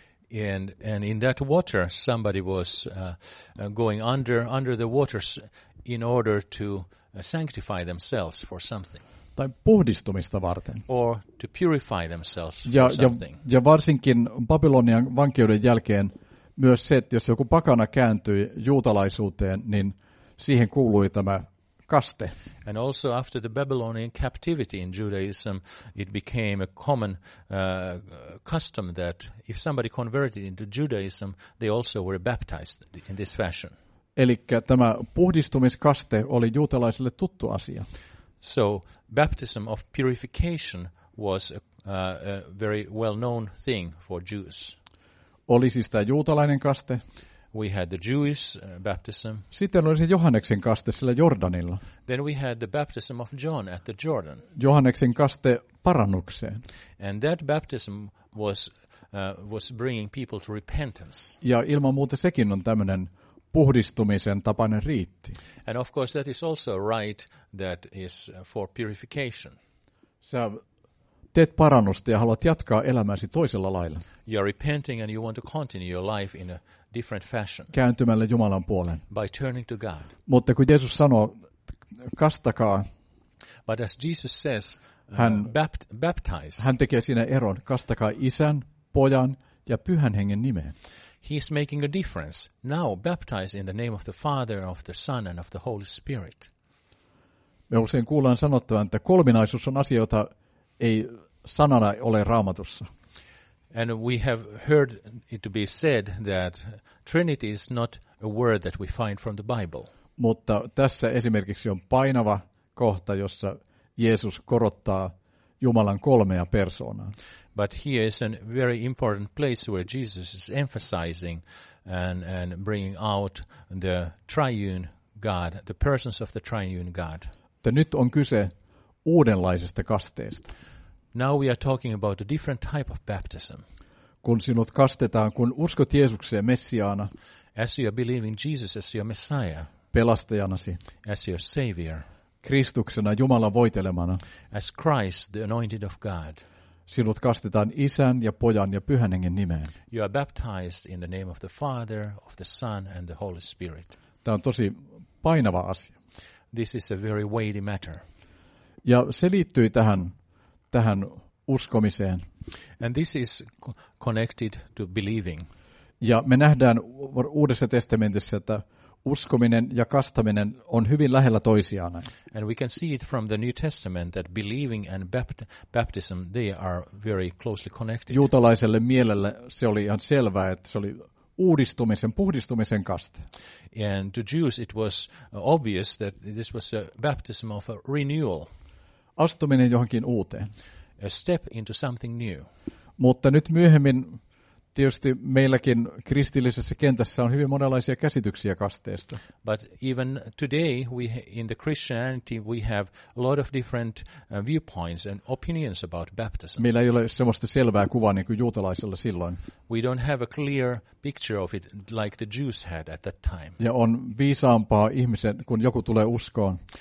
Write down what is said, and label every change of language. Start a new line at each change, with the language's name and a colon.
English: And in that water, somebody was going under the waters in order to sanctify themselves for something.
Finnish: Tai puhdistumista varten.
English: Or to purify themselves for something.
Finnish: Ja varsinkin Babylonian vankeuden jälkeen myös se, että jos joku pakana kääntyi juutalaisuuteen, niin siihen kuului tämä kaste.
English: And also after the Babylonian captivity in Judaism, it became a common custom that if somebody converted into Judaism, they also were baptized in this fashion.
Finnish: Elikkä tämä puhdistumiskaste oli juutalaisille tuttu asia.
English: So baptism of purification was a very well-known thing for Jews.
Finnish: Oli siis tämä juutalainen kaste.
English: We had the Jewish baptism.
Finnish: Sitten oli se Johanneksen kaste sillä Jordanilla.
English: Then we had the baptism of John at the Jordan.
Finnish: Johanneksen kaste parannukseen.
English: And that baptism was bringing people to repentance.
Finnish: Ja ilman muuta sekin on tämmöinen puhdistumisen tapainen riitti.
English: And of course that is also a rite that is for purification.
Finnish: Sä teet parannusta ja haluat jatkaa elämääsi toisella lailla.
English: You are repenting and you want to continue your life in a different fashion.
Finnish: Kääntymällä Jumalan puoleen.
English: By turning to God.
Finnish: Mutta kun Jeesus sanoo, kastakaa.
English: But as Jesus says, baptize.
Finnish: Hän tekee siinä eron, kastakaa Isän, Pojan ja Pyhän Hengen nimeen.
English: He is making a difference. Now baptize in the name of the Father, of the Son and of the Holy Spirit.
Finnish: Me usein kuullaan sanottavan, että kolminaisuus on asia, jota ei sanana ole Raamatussa.
English: And we have heard it to be said that Trinity is not a word that we find from the Bible.
Finnish: Mutta tässä esimerkiksi on painava kohta, jossa Jeesus korottaa Jumalan kolmea persoonaa.
English: But here is a very important place where Jesus is emphasizing and bringing out the triune God, the persons of the triune God.
Finnish: Ja nyt on kyse uudenlaisesta kasteesta.
English: Now we are talking about a different type of baptism.
Finnish: Kun sinut kastetaan, kun uskot Jeesukseen Messiaana,
English: as you believe in Jesus as your Messiah,
Finnish: pelastajanasi,
English: as your Savior,
Finnish: Kristuksena, Jumalan voitelemana,
English: as Christ, the anointed of God,
Finnish: sinut kastetaan Isän ja Pojan ja Pyhän Hengen nimeen.
English: You are baptized in the name of the Father, of the Son and the Holy Spirit.
Finnish: Tämä on tosi painava asia.
English: This is a very weighty matter.
Finnish: Ja se liittyy tähän uskomiseen.
English: And this is connected to believing.
Finnish: Ja me nähdään Uudessa testamentissa, että uskominen ja kastaminen on hyvin lähellä toisiaan.
English: And we can see it from the New Testament that believing and baptism, they are very closely connected.
Finnish: Juutalaiselle mielelle se oli ihan selvää, että se oli uudistumisen, puhdistumisen kaste.
English: And to Jews it was obvious that this was a baptism of a renewal.
Finnish: Astuminen johonkin uuteen.
English: A step into something new.
Finnish: Mutta nyt myöhemmin tietysti meilläkin kristillisessä kentässä on hyvin monenlaisia käsityksiä kasteesta.
English: But even today we in the Christianity we have a lot of different viewpoints and opinions about baptism.
Finnish: Meillä ei ole semmoista selvää kuvaa niin kuin juutalaisella silloin.
English: We don't have a clear picture of it like the Jews had at that time.
Finnish: Ja on viisaampaa ihmisen kun joku tulee uskoon.